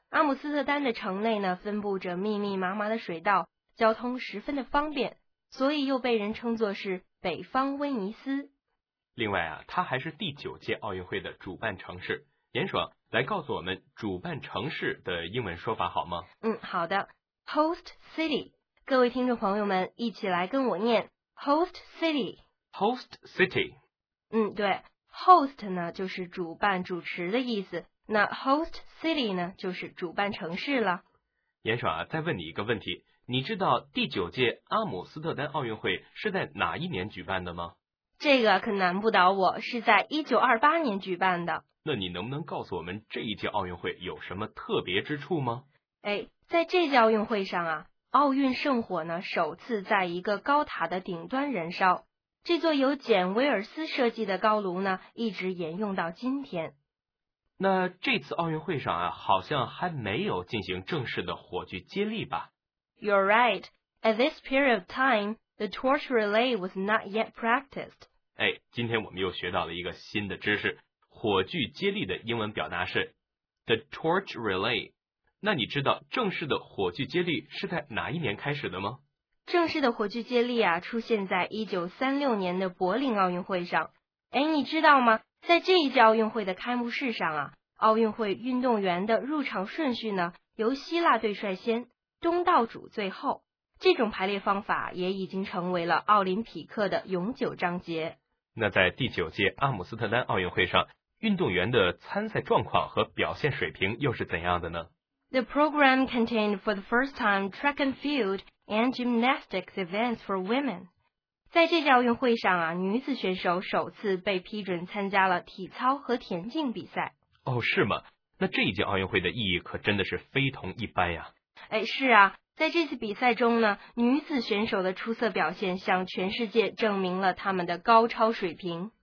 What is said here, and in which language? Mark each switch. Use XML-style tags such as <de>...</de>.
<zh>阿姆斯特丹的城内呢分布着密密麻麻的水道，交通十分的方便，所以又被人称作是北方威尼斯。另外啊，它还是第九届奥运会的主办城市。严爽，来告诉我们主办城市的英文说法好吗？</zh> <en>好的， Host City。</en> <zh>各位听众朋友们一起来跟我念 Host City。</zh> <en>Host City。</en> <zh>对， Host 呢就是主办主持的意思，那 host city 呢就是主办城市了。严爽啊，再问你一个问题，你知道第九届阿姆斯特丹奥运会是在哪一年举办的吗？这个可难不倒我，是在1928年举办的。那你能不能告诉我们这一届奥运会有什么特别之处吗？在这届奥运会上啊，奥运圣火呢首次在一个高塔的顶端燃烧，这座由简·威尔斯设计的高炉呢一直沿用到今天。那这次奥运会上啊，好像还没有进行正式的火炬接力吧？</zh> <en>You're right. At this period of time, the torch relay was not yet practiced.</en> <zh>今天我们又学到了一个新的知识，火炬接力的英文表达是 the torch relay. 那你知道正式的火炬接力是在哪一年开始的吗？正式的火炬接力啊，出现在1936年的柏林奥运会上。你知道吗？在这一届奥运会的开幕式上啊，奥运会运动员的入场顺序呢，由希腊队率先，东道主最后。这种排列方法也已经成为了奥林匹克的永久章节。那在第九届阿姆斯特丹奥运会上，运动员的参赛状况和表现水平又是怎样的呢？</zh> <en>The program contained for the first time track and field and gymnastics events for women.</en> <zh>在这届奥运会上啊，女子选手首次被批准参加了体操和田径比赛。哦，是吗？那这一届奥运会的意义可真的是非同一般呀。哎，是啊，在这次比赛中呢，女子选手的出色表现向全世界证明了他们的高超水平。</zh>